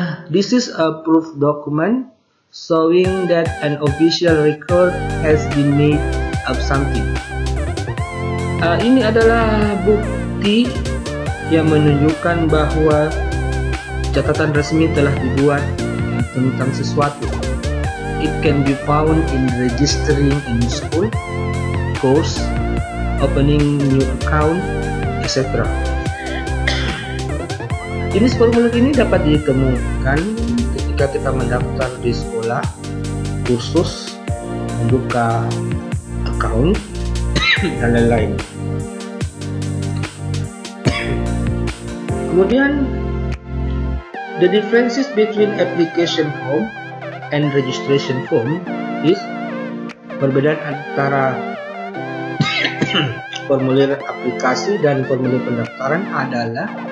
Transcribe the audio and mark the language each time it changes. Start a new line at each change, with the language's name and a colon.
English: This is a proof document showing that an official record has been made of something.
Indonesian: Ini adalah bukti yang menunjukkan bahwa catatan resmi telah dibuat tentang sesuatu.
English: It can be found in registering in school, course, opening new account, etc.
Indonesian: Jenis formulir ini dapat ditemukan ketika kita mendaftar di sekolah, kursus, membuka account, dan lain-lain. Kemudian,
English: the differences between application form and registration form is
Indonesian: perbedaan antara formulir aplikasi dan formulir pendaftaran adalah